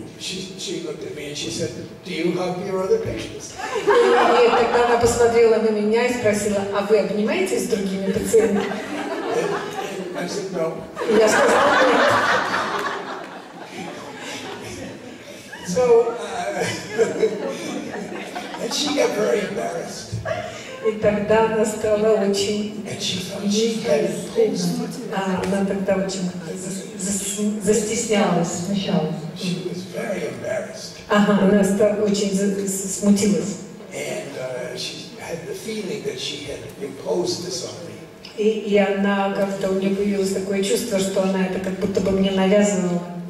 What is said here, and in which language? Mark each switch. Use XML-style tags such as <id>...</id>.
<en>She looked at me and she said, "Do you hug your other patients?"</en> <ru>И тогда она посмотрела на меня и спросила, а вы обнимаетесь с другими пациентами?</ru> <en>I said no. Yes. So, and she got very embarrassed.</en> <ru>И тогда она стала очень.</ru> <en>And she felt she had imposed.</en> <ru>А она тогда очень застеснялась сначала.</ru> <en>She was very embarrassed.</en> <ru>Ага, она стала очень смутилась.</ru> <en>And she had the feeling that she had imposed this on.</en> <ru>И она как-то, у нее появилось такое чувство, что она это как будто бы мне навязывала.</ru>